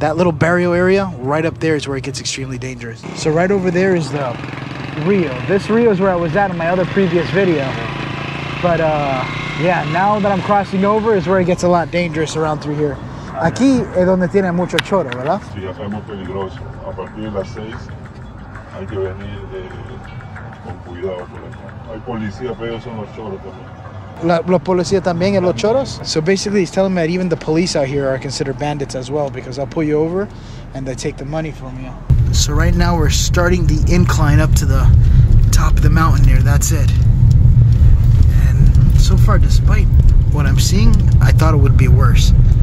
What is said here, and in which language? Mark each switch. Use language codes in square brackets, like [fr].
[en] That little barrio area right up there is where it gets extremely dangerous. So right over there is the Rio. This Rio is where I was at in my other previous video. But yeah, now that I'm crossing over is where it gets a lot dangerous around through here. [es] Aquí es donde tiene mucho choro, ¿verdad? Sí, acá es muy peligroso. A partir de las 6 hay que venir con cuidado por acá. Hay policía, pero son los choros también. La policía también es los choros? [en] So basically he's telling me that even the police out here are considered bandits as well, because I'll pull you over and they take the money from you. So right now we're starting the incline up to the top of the mountain there. That's it. And so far, despite what I'm seeing, I thought it would be worse.